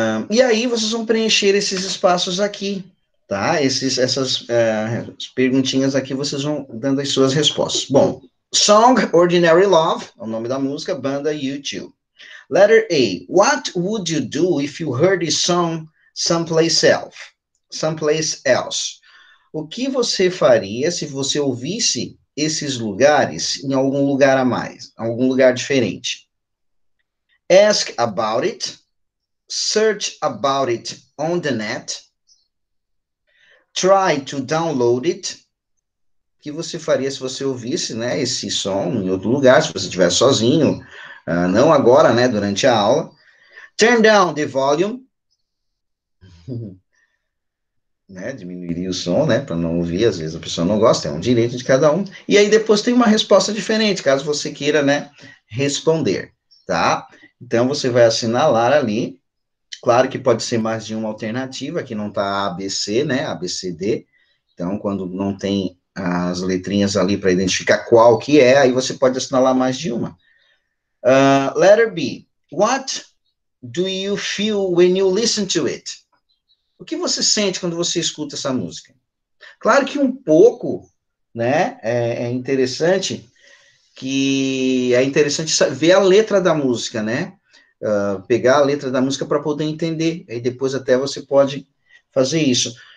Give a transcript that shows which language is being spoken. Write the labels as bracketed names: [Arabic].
[Portuguese] E aí vocês vão preencher esses espaços aqui, tá? Essas perguntinhas aqui vocês vão dando as suas respostas. Bom, Song Ordinary Love, é o nome da música, banda U2. [English] Letter A. What would you do if you heard this song someplace else? Someplace else. [Portuguese] O que você faria se você ouvisse esses lugares em algum lugar a mais, em algum lugar diferente? [English] Ask about it. Search about it on the net. Try to download it. [Portuguese] O que você faria se você ouvisse, né, esse som em outro lugar, se você estiver sozinho, não agora, né, durante a aula. [English] Turn down the volume. [Portuguese] Né, diminuir o som, né, para não ouvir, às vezes a pessoa não gosta, é um direito de cada um. E aí depois tem uma resposta diferente, caso você queira, né, responder, tá? Então você vai assinalar ali. Claro que pode ser mais de uma alternativa, que não tá ABC, né? ABCD. Então quando não tem as letrinhas ali para identificar qual que é, aí você pode assinalar mais de uma. [English] Letter B. What do you feel when you listen to it? [Portuguese] O que você sente quando você escuta essa música? Claro que um pouco, né? É interessante que é interessante ver a letra da música, né? Pegar a letra da música para poder entender. Aí depois até você pode fazer isso.